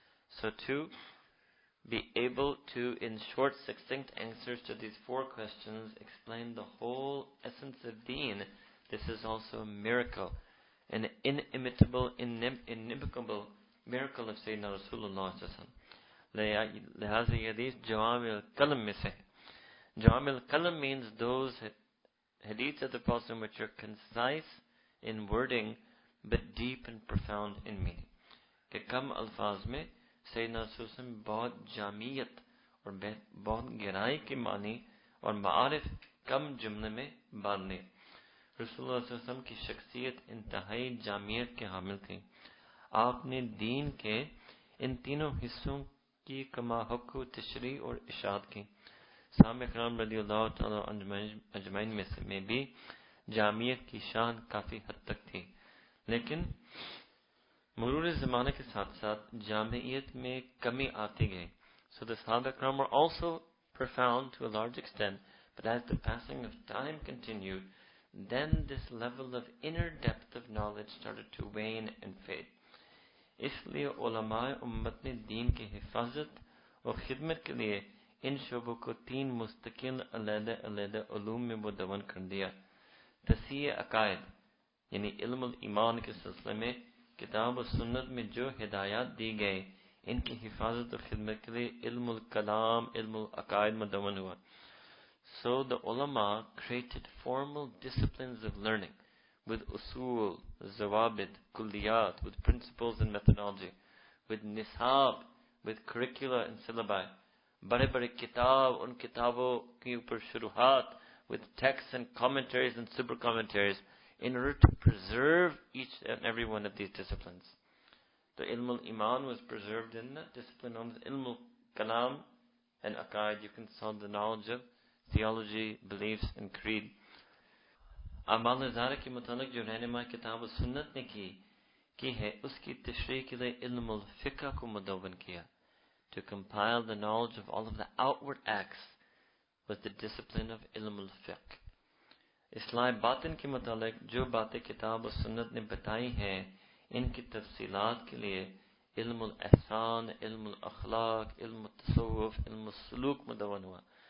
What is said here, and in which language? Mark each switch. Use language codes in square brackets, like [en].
[en] So to be able to, in short succinct answers to these four questions, explain the whole essence of deen, this is also a miracle, an inimitable, inimical miracle of Sayyidina Rasulullah صلی اللہ علیہ وسلم. [ur] لہذا یہ حدیث جوامع القلم میں سے. [en] جوامع القلم means those Hadith of the Prophet which are concise in wording but deep and profound in meaning. [ur] Ke kam alfaz mein Sayyidina Rasulullah bahut jamiyat aur bahut gehrai ke maani aur ma'arif کم جملے میں باندھنے. رسول اللہ صلی اللہ علیہ وسلم کی شخصیت انتہائی جامعیت کے حامل تھی. آپ نے دین کے ان تینوں حصوں کی کما حق و تشریح اور اشاعت کی. صحابہ اکرام رضی اللہ تعالیٰ اجمعین میں بھی جامعیت کی شان کافی حد تک تھی, لیکن مرور زمانے کے ساتھ ساتھ جامعیت میں کمی آتی گئی. [en] So the Sahaba Ikram were also profound to a large extent, but as the passing of time continued, then this level of inner depth of knowledge started to wane and fade. [ur] اس لیے علماء امت نے دین کی حفاظت اور خدمت کے لیے ان شعبوں کو تین مستقل علیحدہ علیحدہ علوم میں مدون کر دیا. تصحیح عقائد یعنی علم الایمان کے سلسلے میں کتاب و سنت میں جو ہدایات دی گئے ان کی حفاظت اور خدمت کے لیے علم الکلام علم العقائد مدون ہوا. [en] So the علماء created formal disciplines of learning with اصول, ضوابط, کلیات, with principles and methodology, with نصاب, with curricula and syllabi, [ur] بڑے بڑے کتاب ان کتابوں کے اوپر شروحات, [en] with texts and commentaries and super commentaries, in order to preserve each and every one of these disciplines. The ilm al-iman was preserved in the discipline known as ilm al-kalam and aqaid. You can sell the knowledge of theology, beliefs and creed. [ur] اعمال زہرہ کے متعلق جو رہنما کتاب و سنت نے کی ہے اس کی تشریح کے لیے علم الفقہ کو مدون کیا. [en] To compile the knowledge of all of the outward acts was the discipline of علم الفقہ. [ur] اصلاح باطن کے متعلق جو باتیں کتاب و سنت نے بتائی ہیں ان کی تفصیلات کے لیے علم الاحسان, علم الاخلاق, علم التصوف, علم السلوک مدون ہوا.